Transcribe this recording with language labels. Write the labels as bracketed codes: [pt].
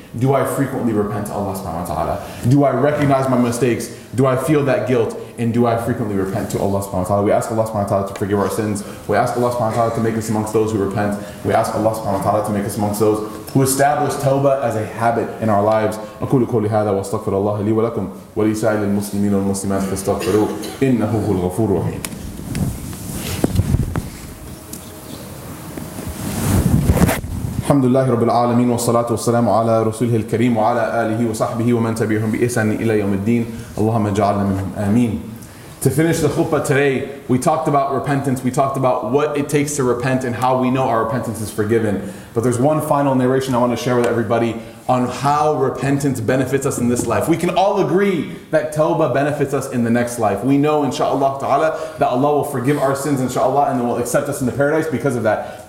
[en] Do I frequently repent to Allah subhanahu wa ta'ala? Do I recognize my mistakes? Do I feel that guilt? And do I frequently repent to Allah subhanahu wa ta'ala? We ask Allah subhanahu wa ta'ala to forgive our sins. We ask Allah subhanahu wa ta'ala to make us amongst those who repent. We ask Allah subhanahu wa ta'ala to make us amongst those who establish tawbah as a habit in our lives. [ar] أقول قولي هذا واستغفر الله لي ولكم ولسائر المسلمين والمسلمات فاستغفروه إنه هو الغفور الرحيم. الحمد لله رب العالمين والصلاة والسلام على رسوله الكريم وعلى آله وصحبه ومن تبعهم بإحسان إلى يوم الدين اللهم اجعلنا منهم آمين. [en] To finish the khutbah today, we talked about repentance, we talked about what it takes to repent and how we know our repentance is forgiven. But there's one final narration I want to share with everybody on how repentance benefits us in this life. We can all agree that tawbah benefits us in the next life. We know, inshaAllah ta'ala, that Allah will forgive our sins, inshaAllah, and then will accept us in the paradise because of that.